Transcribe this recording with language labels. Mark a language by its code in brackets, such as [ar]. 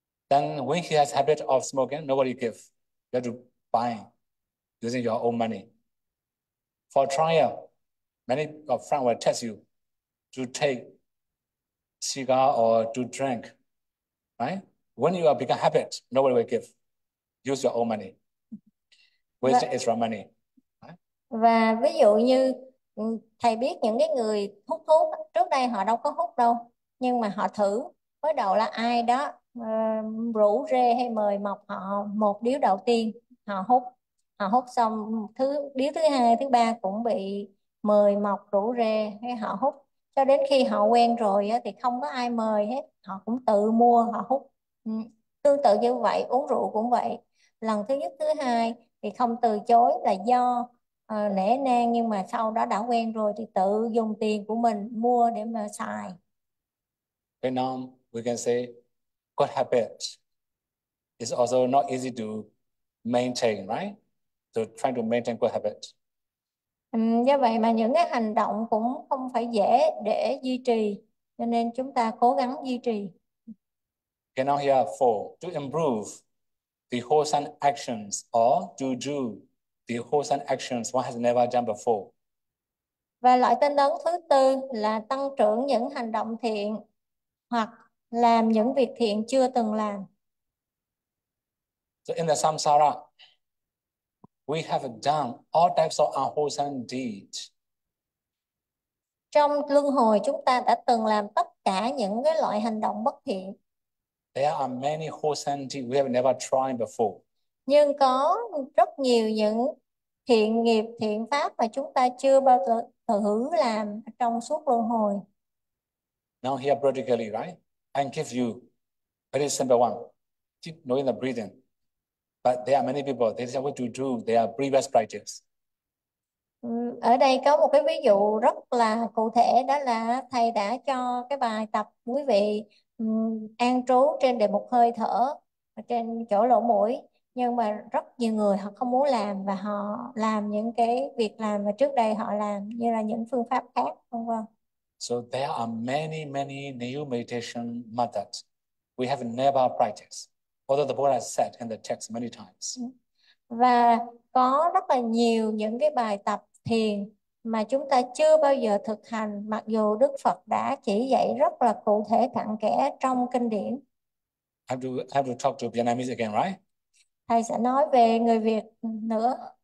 [en] Then when he has habit of smoking, nobody give. You have to buy using your own money. For trial, many of friends will test you to take cigar or to drink, right? When you are become habit, nobody will give. Use your own money. Waste [vi] Và [en] extra money. [vi] ví dụ như thầy biết những cái người hút thuốc trước đây họ đâu có hút đâu, nhưng mà họ thử, mới đầu là ai đó rủ rê hay mời mọc họ một điếu đầu tiên, họ hút xong thứ điếu thứ hai thứ ba cũng bị mời mọc rủ rê hay họ hút, cho đến khi họ quen rồi thì không có ai mời hết, họ cũng tự mua họ hút. Tương tự như vậy, uống rượu cũng vậy, lần thứ nhất thứ hai thì không từ chối là do nể nang, nhưng mà sau đó đã quen rồi thì tự dùng tiền của mình mua để mà xài. [en] And now we can say good habit is also not easy to maintain, right? So trying to maintain good habit. [vi] Do vậy mà những cái hành động cũng không phải dễ để duy trì, cho nên chúng ta cố gắng duy trì. [en] Okay, now here are four. To improve the wholesome actions, or to do the wholesome actions one has never done before. [vi] Và loại tinh tấn thứ tư là tăng trưởng những hành động thiện hoặc làm những việc thiện chưa từng làm. [en] So in the samsara, we have done all types of unwholesome deeds [vi] Trong luân hồi chúng ta đã từng làm tất cả những cái loại hành động bất thiện. [en] There are many wholesome deeds we have never tried before. [vi] Nhưng có rất nhiều những thiện nghiệp, thiện pháp mà chúng ta chưa bao giờ thử làm trong suốt luân hồi. [en] Now here practically, right? I give you very simple one. Keep knowing the breathing. But there are many people, they say what to do, they are previous practice. [vi] Ở đây có một cái ví dụ rất là cụ thể, đó là thầy đã cho cái bài tập quý vị an trú trên đề mục hơi thở trên chỗ lỗ mũi, nhưng mà rất nhiều người họ không muốn làm và họ làm những cái việc làm mà trước đây họ làm như là những phương pháp khác, vân vân. [en] So there are many, many new meditation methods we have never practiced. Although the Buddha has said in the text many times. [vi] Và có rất là nhiều những cái bài tập thiền mà chúng ta chưa bao giờ thực hành, mặc dù Đức Phật đã chỉ dạy rất là cụ thể cặn kẽ trong kinh điển. [en] I have to talk to Vietnamese again, right? [vi] Thầy sẽ nói về người Việt nữa.